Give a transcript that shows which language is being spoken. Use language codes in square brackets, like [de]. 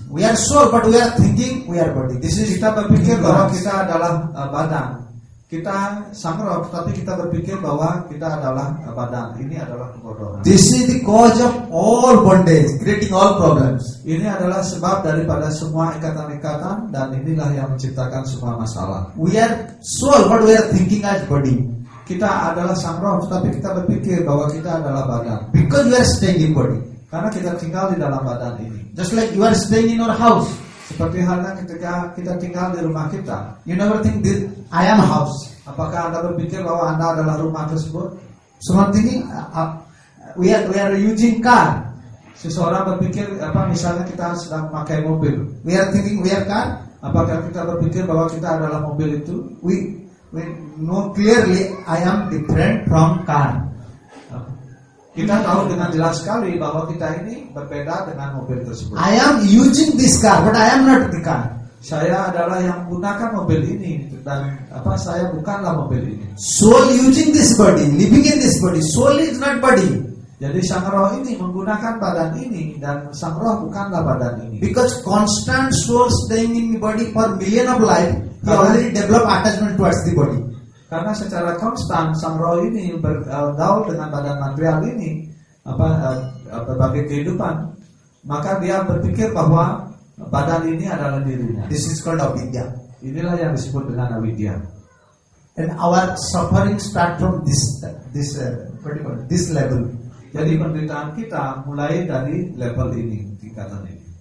[en] We are soul, but we are thinking we are body. This is [id] kita berpikir bahwa kita adalah badan. Kita sangra, tapi kita berpikir bahwa kita adalah badan. Ini adalah kebodohan. [en] This is the cause of all bondage, creating all problems. [id] Ini adalah sebab daripada semua ikatan-ikatan dan inilah yang menciptakan semua masalah. [en] We are soul, but we are thinking as body. [id] Kita adalah sangra, tapi kita berpikir bahwa kita adalah badan. [en] Because we are staying in body. [id] Karena kita tinggal di dalam badan ini. [en] Just like you are staying in your house. [id] Seperti halnya ketika kita tinggal di rumah kita. [en] You never think this, I am house. [id] Apakah Anda berpikir bahwa Anda adalah rumah tersebut? Semua tinggi. [en] We are using car. [id] Seseorang berpikir apa? Misalnya kita sedang pakai mobil. [en] We are thinking we are car. [id] Apakah kita berpikir bahwa kita adalah mobil itu? [en] We know clearly I am different from car. [id] Kita tahu dengan jelas sekali bahwa kita ini berbeda dengan mobil tersebut. [en] I am using this car, but I am not the car. [id] Saya adalah yang menggunakan mobil ini dan apa saya bukanlah mobil ini. [en] Soul using this body, living in this body. Soul is not body. [id] Jadi sang roh ini menggunakan badan ini dan sang roh bukanlah badan ini. [en] Because constant soul staying in the body for million of life, he already develop attachment towards the body. [id] Karena secara konstan sang roh ini bergaul dengan badan material ini apa berbagai kehidupan, maka dia berpikir bahwa badan ini adalah dirinya. [en] This is called avidya. [id] Inilah yang disebut dengan avidya. [en] And our suffering start from this level. [id] Jadi penderitaan kita mulai dari level ini, tingkatan ini.